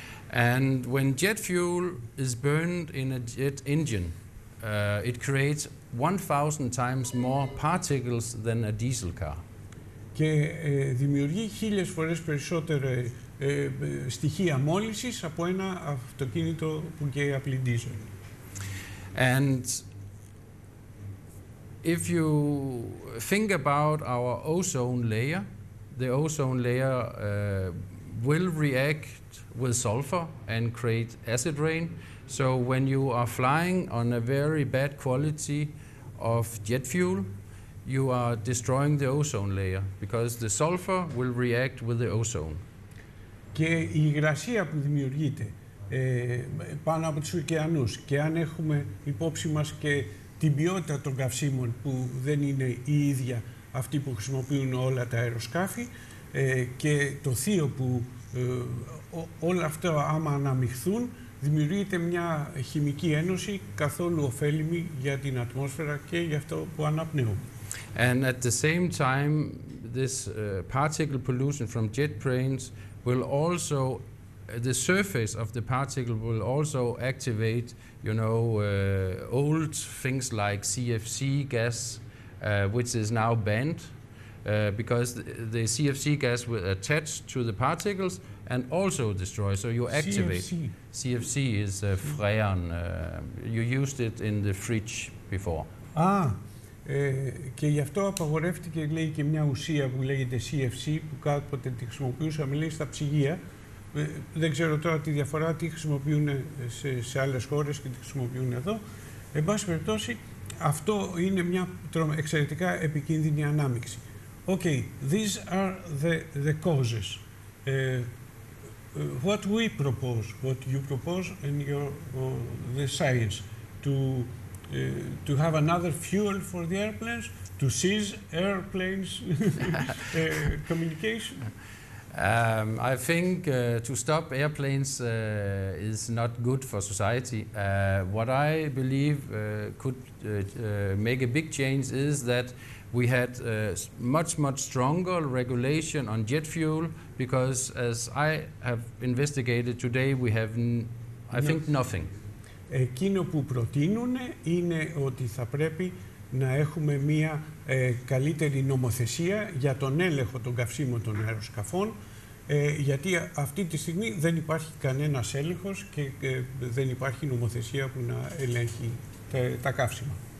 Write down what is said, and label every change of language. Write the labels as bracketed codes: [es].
[en] And when jet fuel is burned in a jet engine, it creates 1,000 times more particles than a diesel car. [el] Και δημιουργεί χίλιες φορές περισσότερα στοιχεία μόλυνσης από ένα αυτοκίνητο που καίει απλή diesel. [en] And if you think about our ozone layer, the ozone layer will react with sulfur and create acid rain. So when you are flying on a very bad quality of jet fuel, you are destroying the ozone layer because the sulfur will react with the ozone. [el] Και η υγρασία που δημιουργείται πάνω από τους ωκεανούς και αν έχουμε υπόψη μας και την ποιότητα των καυσίμων που δεν είναι η ίδια αυτή που χρησιμοποιούν όλα τα αεροσκάφη και το θείο που όλα αυτά άμα αναμειχθούν δημιουργείται μια χημική ένωση καθόλου ωφέλιμη για την ατμόσφαιρα και για αυτό που αναπνέουμε. [en] And at the same time, this particle pollution from jet planes will also, the surface of the particle will also activate, you know, old things like CFC gas, which is now banned, because the CFC gas will attach to the particles and also destroy. So you activate. CFC is freon. You used it in the fridge before. Ah. [el] Και γι' αυτό απαγορεύτηκε, λέει, και μια ουσία που λέγεται CFC, που κάποτε τη χρησιμοποιούσαμε, λέει, στα ψυγεία. Δεν ξέρω τώρα τη διαφορά, τι χρησιμοποιούν σε άλλες χώρες και τι χρησιμοποιούν εδώ. Εν πάση περιπτώσει, αυτό είναι μια εξαιρετικά επικίνδυνη ανάμειξη. [en] Okay, these are the causes. What we propose, what you propose in your the science, to have another fuel for the airplanes, to seize airplanes communication. I think to stop airplanes is not good for society. What I believe could make a big change is that we had much stronger regulation on jet fuel, because as I have investigated today, we have I think nothing. [el] Εκείνο που προτείνουν είναι ότι θα πρέπει να έχουμε μια καλύτερη νομοθεσία για τον έλεγχο των καυσίμων των αεροσκαφών. Γιατί αυτή τη στιγμή δεν υπάρχει κανένας έλεγχος και δεν υπάρχει νομοθεσία που να ελέγχει τα καύσιμα.